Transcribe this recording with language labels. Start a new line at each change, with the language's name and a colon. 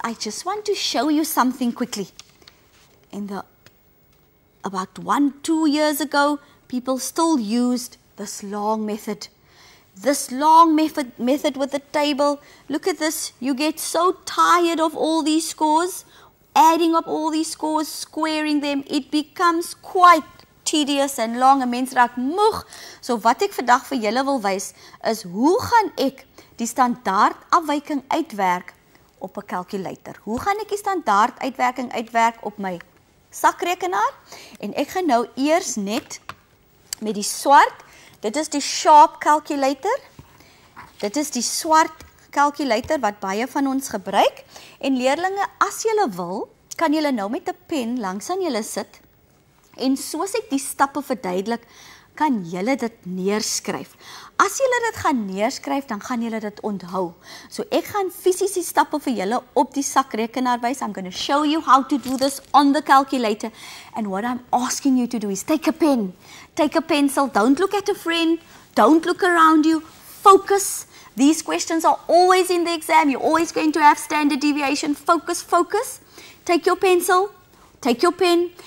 English: I just want to show you something quickly. In the about 1-2 years ago, people still used this long method. This long method with the table. Look at this. You get so tired of all these scores, adding up all these scores, squaring them. It becomes quite tedious and long.
Afrikaans: A mens raak moeg. So wat ek vandag vir julle wil wys is hoe gaan ek die standaard afwyking uitwerk op 'n kalkulator. Hoe gaan ek die standaard uitwerking uitwerk op my sakrekenaar? En ek gaan nou eers net met die swart. Dit is die Sharp kalkulator. Dit is die swart kalkulator wat baie van ons gebruik. En leerlinge, as julle wil, kan julle nou met 'n pen langs aan julle sit. En soos ek die stappe verduidelik, kan julle dit neerskryf. As julle dit gaan neerskryf, dan gaan julle dit onthou. So ek gaan fisies die stappe vir julle op die sakrekenaar wys.
English: I'm going to show you how to do this on the calculator. And what I'm asking you to do is take a pen. Take a pencil. Don't look at a friend. Don't look around you. Focus. These questions are always in the exam. You're always going to have standard deviation. Focus, focus. Take your pencil. Take your pen.